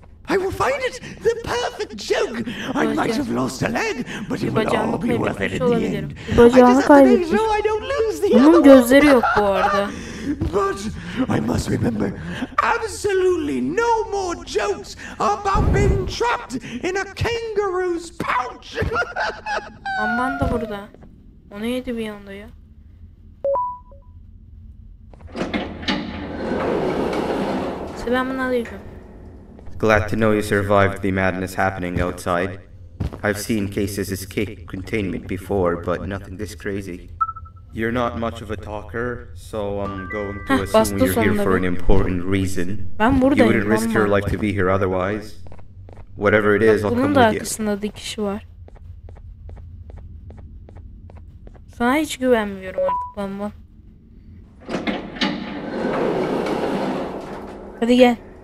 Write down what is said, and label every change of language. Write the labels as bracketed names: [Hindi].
[English] I will find it, the perfect joke. I might have lost a leg, but it will all be worth it in the end. [Turkish] Bacağını kaybetmiş. Bunun gözleri yok bu arada. [English] But I must remember, absolutely no more jokes about being trapped in a kangaroo's pouch. [Turkish] Amman da burada. O neydi bir anda ya? [English] Glad to know you survived the madness happening outside. I've seen cases escape containment before, but nothing this crazy. You're not much of a talker, so I'm going to assume you're here for an important reason. [Turkish] Ben buradayım. [English] You wouldn't risk your life to be here otherwise. Whatever it is, I'll come with you. [Turkish] Bunun da arkasında bir kişi var. Sana hiç güvenmiyorum artık bamba. Hadi gel.